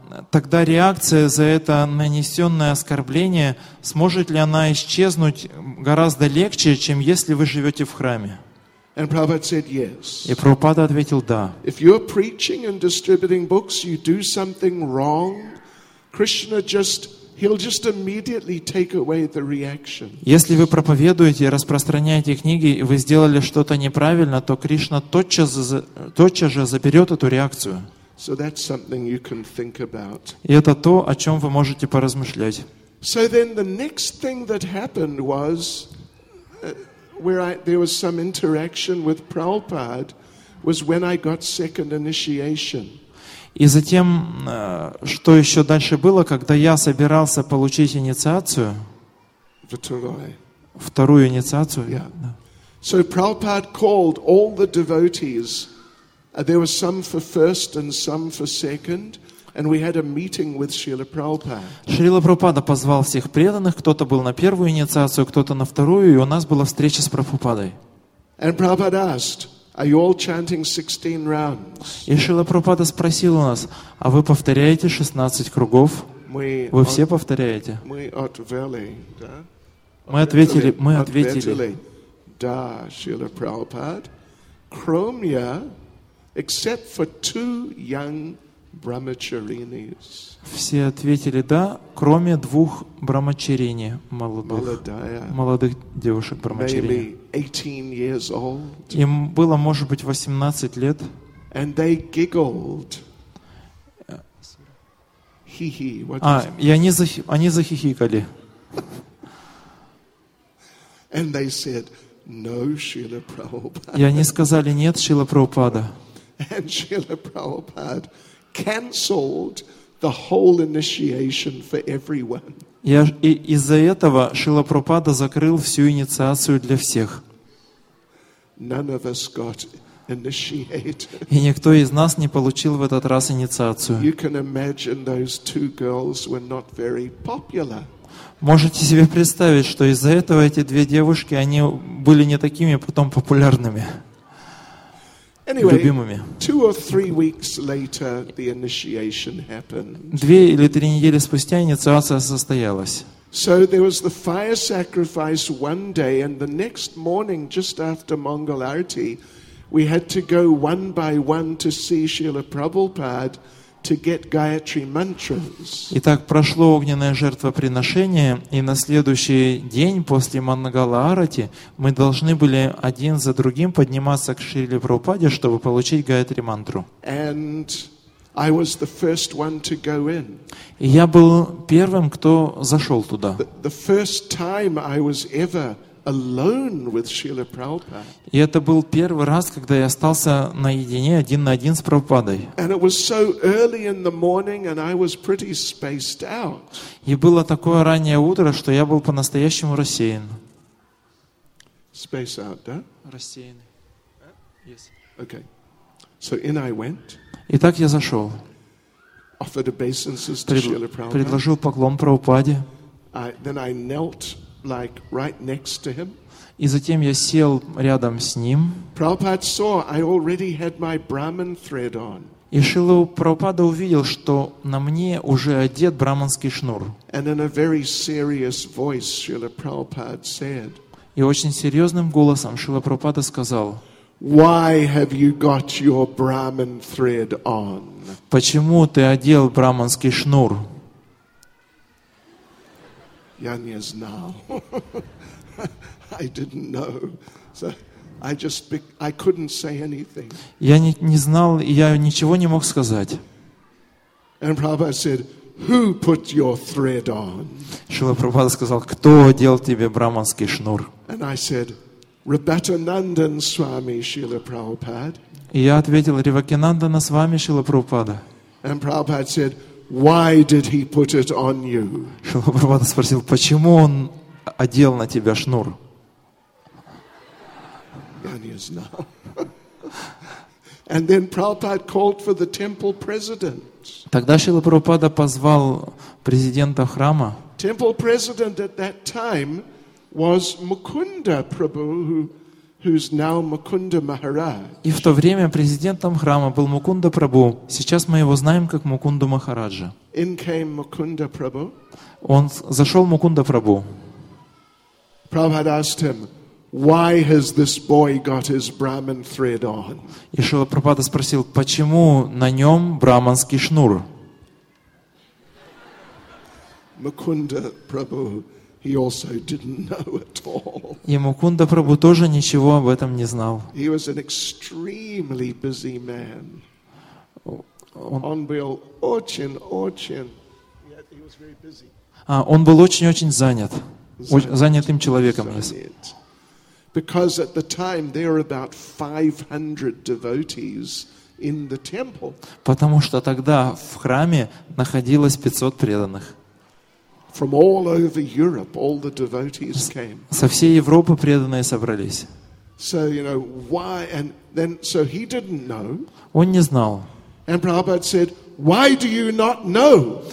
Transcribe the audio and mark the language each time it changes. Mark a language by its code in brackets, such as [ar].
[ru] Тогда реакция за это нанесенное оскорбление, сможет ли она исчезнуть гораздо легче, чем если вы живете в храме? [en] And Prabhupada said yes. [ru] И Прабхупада ответил да. [en] If you're preaching and distributing books, you do something wrong, Krishna he'll just immediately take away the reaction. [ru] Если вы проповедуете и распространяете книги, и вы сделали что-то неправильно, то Кришна тотчас же заберет эту реакцию. [en] So that's something you can think about. [ru] И это то, о чем вы можете поразмышлять. [en] So then the next thing that happened was there was some interaction with Prabhupada was when I got second initiation. [ru] И затем, что еще дальше было, когда я собирался получить инициацию, вторую инициацию. [en] Yeah. [ru] Да. [en] So Prabhupada called all the devotees. There were some for first and some for second. And we had a meeting with Srila Prabhupada. [ru] Шрила Прабхупада позвал всех преданных, кто-то был на первую инициацию, кто-то на вторую, и у нас была встреча с Прабхупадой. [en] And Prabhupada asked, "Are you all chanting 16 rounds?" [ru] И Шрила Прабхупада спросил у нас, а вы повторяете 16 кругов? Вы все повторяете? Мы ответили, да? Мы ответили. Да, [en] Шрила Прабхупада. Кромья, except for two young Brahmacharinis. [ru] Все ответили да, кроме двух брамачарини, молодых девушек брамачарини. [en] Maybe 18 years old. [ru] Им было, может быть, 18 лет. [en] And they giggled. [ru] Они захихикали. [en] And they said, "No, Srila Prabhupada." [ru] И они сказали нет, Шрила Прабхупада. [en] And Srila Prabhupada cancelled the whole initiation for everyone. [ru] И из-за этого Шрила Прабхупада закрыл всю инициацию для всех. [en] None of us got initiated. [ru] И никто из нас не получил в этот раз инициацию. [en] You can imagine those two girls were not very popular. [ru] Можете себе представить, что из-за этого эти две девушки, они были не такими потом популярными. Любимыми. [en] Two or three weeks later, the initiation happened. [ru] 2 или 3 недели спустя инициация состоялась. [en] So there was the fire sacrifice one day, and the next morning, just after Mangal Arati, we had to go one by one to see Srila Prabhupada to get Gayatri mantras. [ru] Итак, прошло огненное жертвоприношение, и на следующий день после Мангала Арати мы должны были один за другим подниматься к Шриле Прабхупаде, чтобы получить Гаятри мантру. [en] And I was the first one to go in. [ru] И я был первым, кто зашел туда. [en] The first time I was ever alone with Srila Prabhupada. [ru] И это был первый раз, когда я остался наедине, один на один с Прабхупадой. [en] And it was so early in the morning, and I was pretty spaced out. [ru] И было такое раннее утро, что я был по-настоящему рассеян. [en] Space out, [ru] да? Рассеян. [en] Yes. Okay. So in I went. [ru] Итак, я зашел. [en] Offered obeisances to Srila Prabhupada. [ru] Предложил поклон Прабхупаде. [en] Then I knelt like right next to him. [ru] И затем я сел рядом с ним. [en] Prabhupada saw I already had my Brahman thread on. [ru] И Шрила Прабхупада увидел, что на мне уже одет брахманский шнур. [en] And in a very serious voice, Srila Prabhupada said. [ru] И очень серьезным голосом Шрила Прабхупада сказал. [en] Why have you got your Brahman thread on? [ru] Почему ты одел браманский шнур? Yanya знал. [en] I didn't know. So I just I couldn't say anything. [ru] Я не знал, я ничего не мог сказать. [en] And Prabhupada said, "Who put your thread on?" [ru] Шрила Прабхупада сказал: "Кто одел тебе браманский шнур?" [en] And I said, Rabata Nandan Swami Srila Prabhupada. [ru] Я ответил: Ривакинандана Свами Шрила Прабхупада. [en] And Prabhupada said, "Why did he put it on you?" [ru] Шрила Прабхупада спросил: "Почему он одел на тебя шнур?" [en] And then Prabhupada called for the temple president. [ru] Тогда Шрила Прабхупада позвал президента храма. [en] Temple president at that time was Mukunda Prabhu, who's now Mukunda Maharaj. [ru] И в то время президентом храма был Мукунда Прабху. Сейчас мы его знаем как Мукунду Махараджа. [en] In came Mukunda Prabhu. [ru] Он зашел Мукунда Прабху. [en] Prabhupada asked him, "Why has this boy got his Brahman thread on?" [ru] И Шрила Прабхупада спросил, почему на нем браманский шнур? [en] Mukunda Prabhu. He also didn't know at all. [ru] И Мукунда Прабху тоже ничего об этом не знал. [en] He was an extremely busy man. [ru] Он был очень-очень. [en] Yeah, he was very busy. [ru] А он был очень-очень занят. Занятым человеком. Занят. [en] Because at the time there were about 500 devotees in the temple. [ru] Потому что тогда в храме находилось 500 преданных. [en] From all over Europe, all the devotees came. [ru] Со всей Европы преданные собрались. [en] So you know why, and then so he didn't know. [ru] Он не знал. [en] And Prabhupada said, "Why do you not know?"